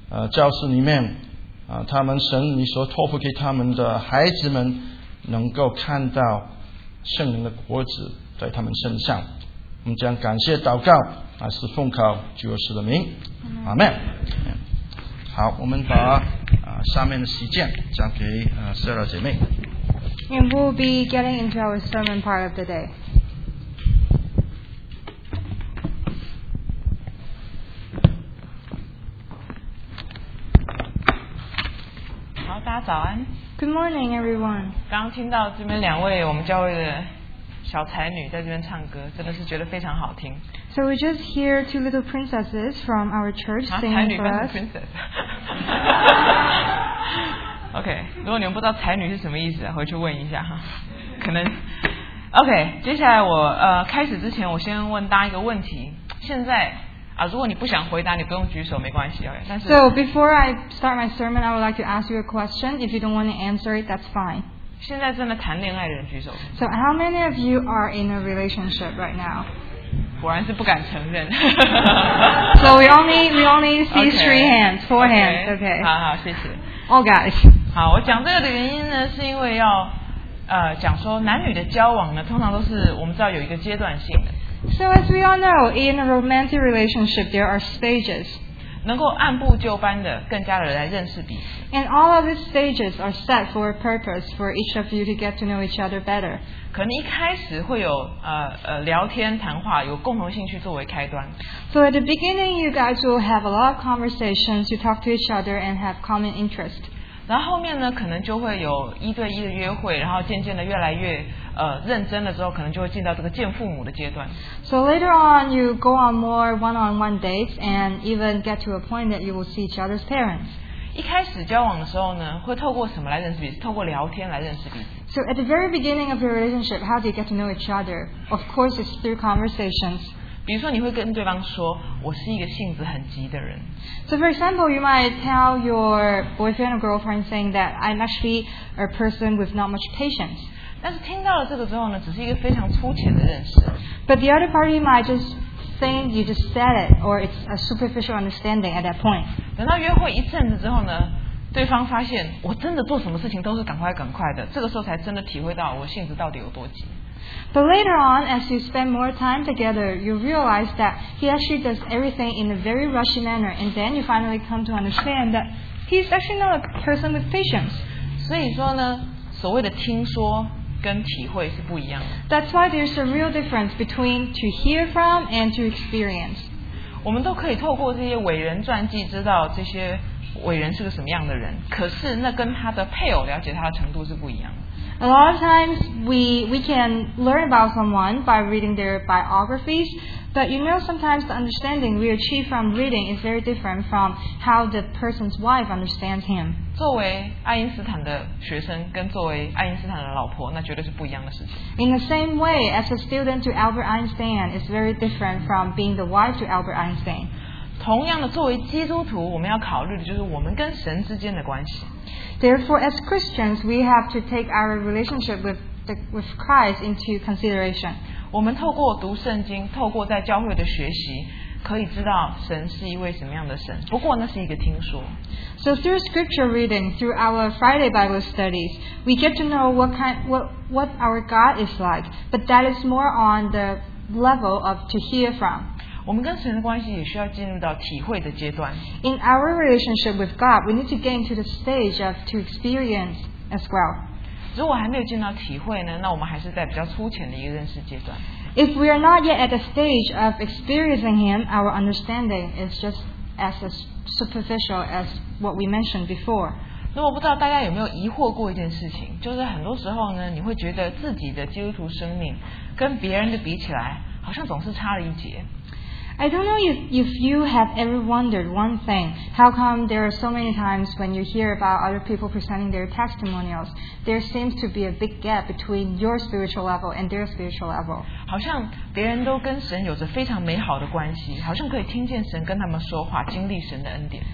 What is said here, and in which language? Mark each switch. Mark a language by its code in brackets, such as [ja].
[zh] 教室里面他们神你所托付给他们的孩子们能够看到圣灵的果子在他们身上我们将感谢祷告乃是奉靠主耶稣的名阿们好我们把下面的时间交给十二姐妹 [en] And we'll be getting into our sermon part of the day [zh] 好大家早安 [en] Good morning everyone [zh] 刚听到这边两位我们教会的小才女在这边唱歌真的是觉得非常好听 [en] So we just hear two little princesses from our church singing for us [zh] 才女跟是 princess OK 如果你们不知道才女是什么意思回去问一下可能 OK 接下来我开始之前我先问大家一个问题现在如果你不想回答你不用举手没关系 OK 但是 [en] So before I start my sermon I would like to ask you a question If you don't want to answer it that's fine [zh] 现在正在谈恋爱的人举手。 [en] So how many of you are in a relationship right now? [zh] 果然是不敢承认。 [en] So we only see three hands, four okay, hands, okay. [zh] 好好，谢谢。 [en] All guys. [zh] 好，我讲这个的原因呢，是因为要讲说男女的交往呢，通常都是我们知道有一个阶段性的。 [en] So as we all know, in a romantic relationship, there are stages. [zh] 能够按部就班的更加的来认识彼此。 [en] And all of these stages are set for a purpose for each of you to get to know each other better. [zh] 可能一开始会有聊天谈话，有共同兴趣作为开端。 [en] So at the beginning, you guys will have a lot of conversations. You talk to each other and have common interests. [zh] 然后后面呢，可能就会有一对一的约会，然后渐渐的越来越认真的时候，可能就会进到这个见父母的阶段。 [en] So later on, you go on more one-on-one dates, and even get to a point that you will see each other's parents. [zh] 一开始交往的时候呢，会透过什么来认识彼此？透过聊天来认识彼此。 [en] So at the very beginning of your relationship, how do you get to know each other? Of course, it's through conversations. [zh] 比如说你会跟对方说我是一个性子很急的人。 [en] So for example, you might tell your boyfriend or girlfriend saying that I'm actually a person with not much patience. [zh] 但是听到了这个之后呢，只是一个非常粗浅的认识。 [en] But the other party might just think you just said it or it's a superficial understanding at that point. [zh] 等到约会一阵子之后呢，对方发现我真的做什么事情都是赶快赶快的，这个时候才真的体会到我性子到底有多急。 [en] But later on, as you spend more time together, you realize that he actually does everything in a very rushy manner, and then you finally come to understand that he's actually not a person with patience. [zh] 所以说呢，所谓的听说跟体会是不一样的。 [en] That's why there's a real difference between to hear from and to experience. [zh] 我们都可以透过这些伟人传记知道这些伟人是个什么样的人，可是那跟他的配偶了解他的程度是不一样的。 [en] A lot of times we can learn about someone by reading their biographies, but you know sometimes the understanding we achieve from reading is very different from how the person's wife understands him. [zh] 作为爱因斯坦的学生跟作为爱因斯坦的老婆，那绝对是不一样的事情。 [en] In the same way, as a student to Albert Einstein, it's very different from being the wife to Albert Einstein. [zh] 同样的，作为基督徒，我们要考虑的就是我们跟神之间的关系。 [en] Therefore, as Christians, we have to take our relationship with Christ into consideration. [zh] 我们透过读圣经，透过在教会的学习，可以知道神是一位什么样的神。不过那是一个听说。 [en] So through scripture reading, through our Friday Bible studies, we get to know what our God is like. But that is more on the level of to hear from. [zh] 我们跟神的关系也需要进入到体会的阶段。 [en] In our relationship with God, we need to get into the stage of to experience as well. [zh] 如果还没有进到体会呢，那我们还是在比较粗浅的一个认识阶段。 [en] If we are not yet at the stage of experiencing Him, our understanding is just as superficial as what we mentioned before. [zh] 那我不知道大家有没有疑惑过一件事情，就是很多时候呢，你会觉得自己的基督徒生命跟别人的比起来，好像总是差了一截。 [en] I don't know if you have ever wondered one thing. How come there are so many times when you hear about other people presenting their testimonials, there seems to be a big gap between your spiritual level and their spiritual level. [zh] 好像别人都跟神有着非常美好的关系，好像可以听见神跟他们说话，经历神的恩典。